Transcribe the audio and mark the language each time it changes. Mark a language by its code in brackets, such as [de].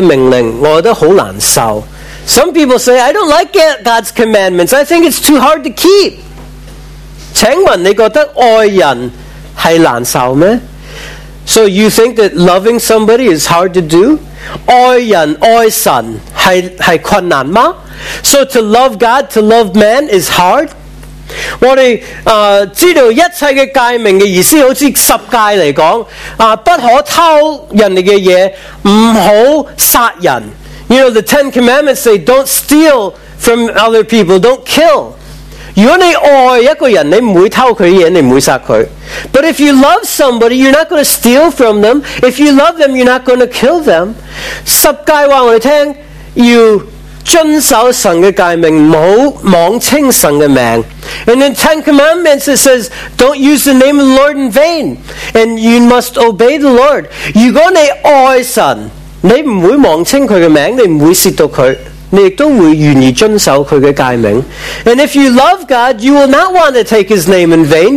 [zh] 有人觉得我不喜欢神的命令，我觉得很难受. [en] Some people say, I don't like God's commandments. I think it's too hard to keep. [zh] 请问你觉得爱人是难受吗？ [en] So you think that loving somebody is hard to do? [zh] 爱人爱神是困难吗? [en] So to love God, to love man is hard? [zh] 我们知道一切的诫命的意思好像十诫来讲，不可偷人家的东西，不可杀人。 [en] You know, the Ten Commandments say, don't steal from other people, don't kill. [zh] 如果你爱一个人，你不会偷他的东西，你不会杀他。 [en] But if you love somebody, you're not going to steal from them. If you love them, you're not going to kill them. [zh] 十诫告诉我们, you 遵守神的诫命，不要妄称神的名. [en] And in Ten Commandments, it says, don't use the name of the Lord in vain. And you must obey the Lord. [zh] 如果你爱神，你不会妄称他的名，你不会亵渎他。 [en] And if you love God, you will not want to take His name in vain.